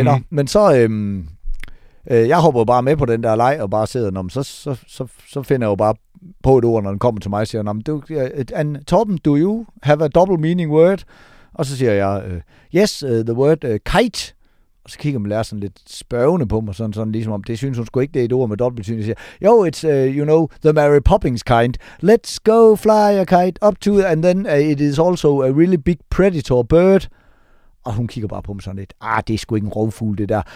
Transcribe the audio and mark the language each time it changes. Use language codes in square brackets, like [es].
[da] Men så, jeg hopper bare med på den der leg, og bare sidder, så finder jeg jo bare på et ord, når den kommer til mig, og siger, [en] and Torben, do you have a double meaning word? [da] Og så siger jeg, [en] yes, the word kite. [da] Og så kigger man lærer sådan lidt spørgende på mig, sådan ligesom om, det synes hun sgu ikke, det er et ord med dobbelt betydning. Jeg siger, jo, [en] it's, you know, the Mary Poppins kind. Let's go fly a kite up to, and then it is also a really big predator bird. [da] Og hun kigger bare på mig sådan lidt, det er sgu ikke en rovfugl, det der.